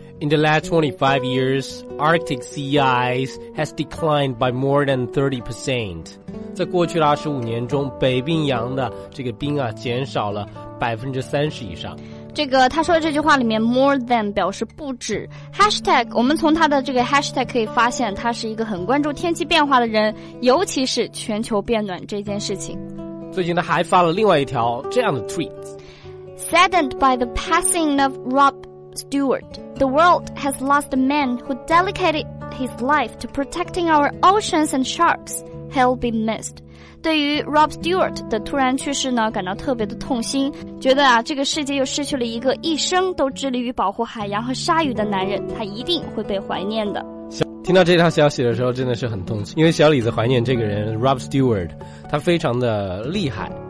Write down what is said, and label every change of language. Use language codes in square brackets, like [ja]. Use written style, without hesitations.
[en] In the last 25 years, Arctic sea ice has declined by more than 30%. [zh] 在过去的25年中，北冰洋的这个冰啊减少了30%以上。这个他说的这句话里面 [en] more than [zh] 表示不止， hashtag 我们从他的这个 hashtag 可以发现他是一个很关注天气变化的人，尤其是全球变暖这件事情。最近他还发了另外一条这样的 tweet： [en] Saddened by the passing of Rob Stewart, the world has lost a man who dedicated his life to protecting our oceans and sharks. He'll be missed. [zh] 对于 Rob Stewart 的突然去世呢感到特别的痛心，觉得啊这个世界又失去了一个一生都致力于保护海洋和鲨鱼的男人，他一定会被怀念的。听到这条消息的时候真的是很痛心，因为小李子怀念这个人 Rob Stewart， 他非常的厉害。